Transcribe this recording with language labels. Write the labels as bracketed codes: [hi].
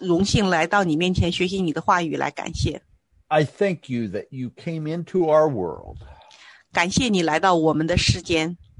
[zh] 我们为了能够有这种权荣幸来到你面前学习你的话语来感谢。 [en] I thank you that you came into our world. [zh] 感谢你来到我们的世间。